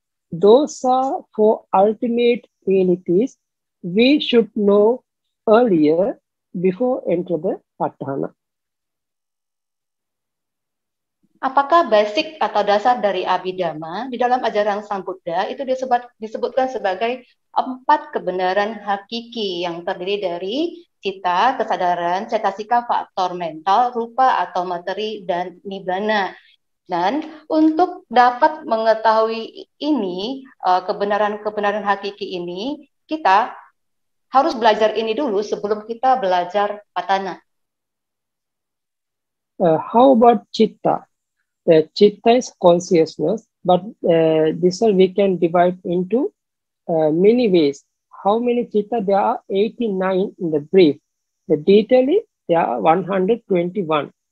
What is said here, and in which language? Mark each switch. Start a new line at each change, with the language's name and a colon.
English: Those are four ultimate realities we should know earlier before enter the Paṭṭhāna.
Indonesian: Apakah basic atau dasar dari Abhidhamma di dalam ajaran Sang Buddha itu disebutkan sebagai empat kebenaran hakiki yang terdiri dari citta, kesadaran, cetasika, faktor mental, rupa atau materi, dan nibbana. Dan untuk dapat mengetahui ini, kebenaran-kebenaran hakiki ini, kita harus belajar ini dulu sebelum kita belajar Paṭṭhāna.
English: How about citta? Citta is consciousness, but this one we can divide into many ways. How many citta? There are 89 in the brief. The detail is there are 121.